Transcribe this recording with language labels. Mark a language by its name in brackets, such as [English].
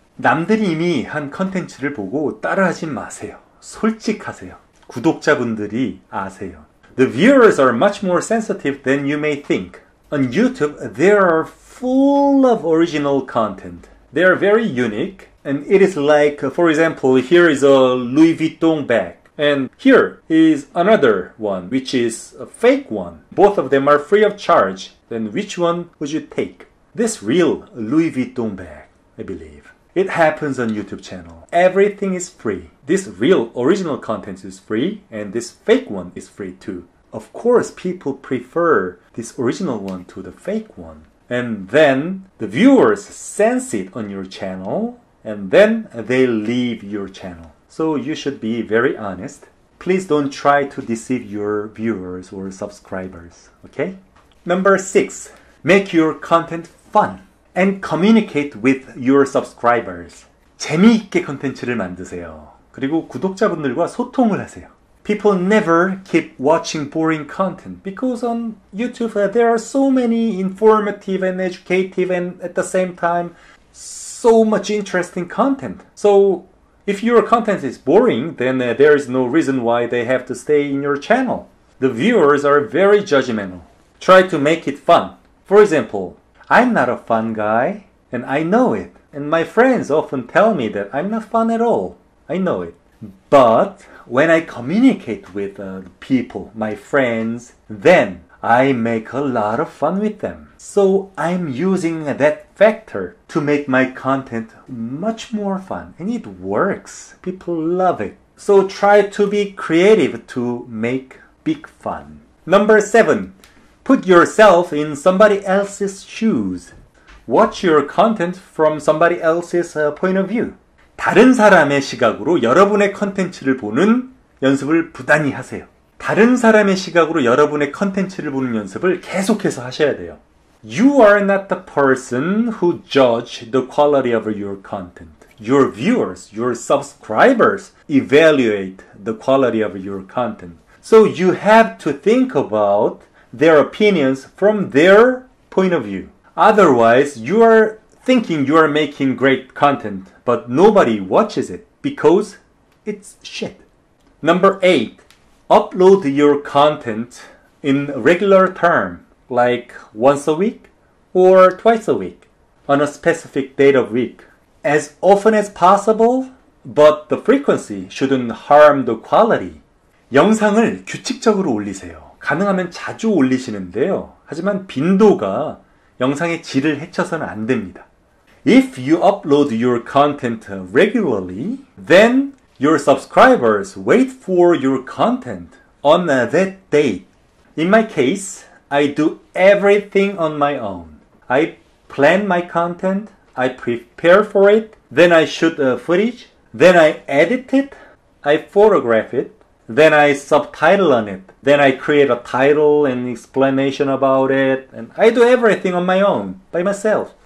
[Korean] 남들이 이미 한 콘텐츠를 보고 따라하지 마세요. 솔직하세요. 구독자분들이 아세요. [English] The viewers are much more sensitive than you may think. On YouTube, there are full of original content. They are very unique. And it is like, for example, here is a Louis Vuitton bag. And here is another one, which is a fake one. Both of them are free of charge. Then which one would you take? This real Louis Vuitton bag, I believe. It happens on YouTube channel. Everything is free. This real original content is free. And this fake one is free too. Of course, people prefer this original one to the fake one. And then the viewers sense it on your channel, and then they leave your channel. So you should be very honest. Please don't try to deceive your viewers or subscribers, okay? Number six, make your content fun and communicate with your subscribers. [Korean] 재미있게 콘텐츠를 만드세요. 그리고 구독자분들과 소통을 하세요. [English] People never keep watching boring content because on YouTube there are so many informative and educative and at the same time so much interesting content. So If your content is boring, then there is no reason why they have to stay in your channel. The viewers are very judgmental. Try to make it fun. For example, I'm not a fun guy, and I know it. And my friends often tell me that I'm not fun at all. I know it. But when I communicate with people, my friends, then I make a lot of fun with them. So I'm using that factor to make my content much more fun. And it works. People love it. So try to be creative to make big fun. Number 7. Put yourself in somebody else's shoes. Watch your content from somebody else's point of view. [Korean] 다른 사람의 시각으로 여러분의 컨텐츠를 보는 연습을 부단히 하세요. 다른 사람의 시각으로 여러분의 컨텐츠를 보는 연습을 계속해서 하셔야 돼요. [English] You are not the person who judge the quality of your content. Your viewers, your subscribers evaluate the quality of your content. So you have to think about their opinions from their point of view. Otherwise, you are thinking you are making great content, but nobody watches it because it's shit. Number 8. Upload your content in regular term, like once a week or twice a week, on a specific date of week. As often as possible, but the frequency shouldn't harm the quality. [Korean] 영상을 규칙적으로 올리세요. 가능하면 자주 올리시는데요. 하지만 빈도가 영상의 질을 해쳐서는 안 됩니다. [English] If you upload your content regularly, then your subscribers wait for your content on that date. In my case, I do everything on my own. I plan my content, I prepare for it, then I shoot the footage, then I edit it, I photograph it, then I subtitle on it, then I create a title and explanation about it, and I do everything on my own, by myself.